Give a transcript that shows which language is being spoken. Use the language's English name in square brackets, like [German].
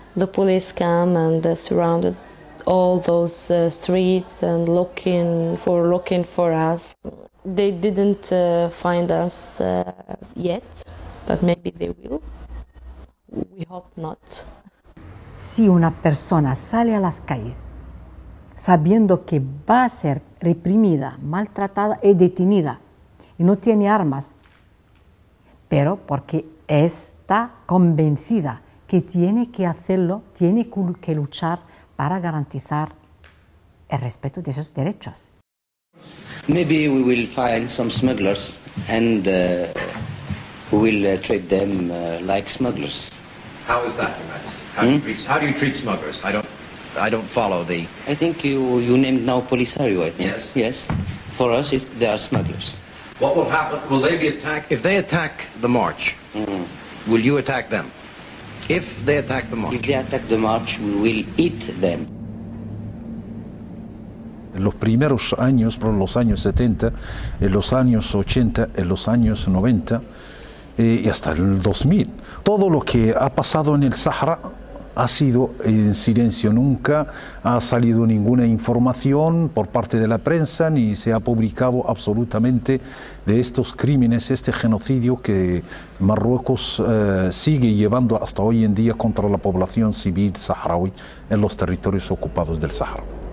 [English] The police came and surrounded all those streets and looking for us. They didn't find us yet, but maybe they will. We hope not. [Spanish] Si una persona sale a las calles sabiendo que va a ser reprimida, maltratada y detenida, y no tiene armas, pero porque está convencida que tiene que hacerlo, tiene que luchar para garantizar el respeto de esos derechos. [English] Maybe we will find some smugglers and we will treat them like smugglers. How is that, Your Majesty? How do you treat smugglers? I don't follow the. I think you named now Polisario. I think yes. For us, they are smugglers. What will happen? Will they be attacked? If they attack the march, mm-hmm. will you attack them? If they attack the march. If they attack the march, we will eat them. [Spanish] En los primeros años, por los años 70, en los años 80, en los años 90, y hasta el 2000, todo lo que ha pasado en el Sahara ha sido en silencio, nunca ha salido ninguna información por parte de la prensa ni se ha publicado absolutamente de estos crímenes, este genocidio que Marruecos sigue llevando hasta hoy en día contra la población civil saharaui en los territorios ocupados del Sahara.